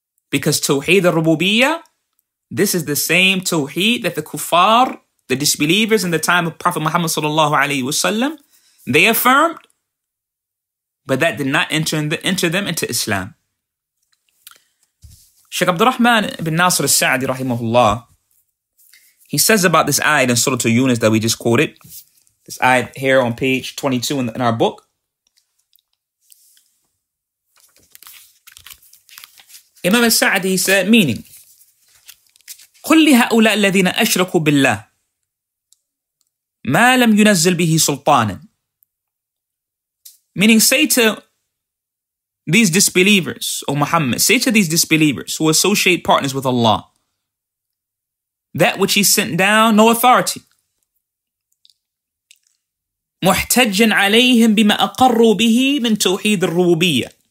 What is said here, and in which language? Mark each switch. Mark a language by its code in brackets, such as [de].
[en] Because Tawheed al-Rububiyyah, this is the same Tawheed that the Kuffar, the disbelievers in the time of Prophet Muhammad sallallahu alayhi wasallam, they affirmed, but that did not enter them into Islam. Shaykh Abdul Rahman ibn Nasir al-Sa'di rahimahullah, he says about this ayat in Surah Yunus that we just quoted, this ayat here on page 22 in our book. Imam al-Sa'di, he said, meaning, [ar] قُلْ لِهَأُولَىٰ الَّذِينَ أَشْرَكُوا بِاللَّهِ مَا لَمْ يُنَزِّلْ بِهِ سُلْطَانًا. [en] Meaning, say to these disbelievers, O Muhammad, say to these disbelievers who associate partners with Allah, that which He sent down, no authority. [ar] مُحْتَجًا عَلَيْهِمْ بِمَا أَقَرُّوا بِهِ مِنْ تَوْحِيدِ الرُّوبِيَّةِ.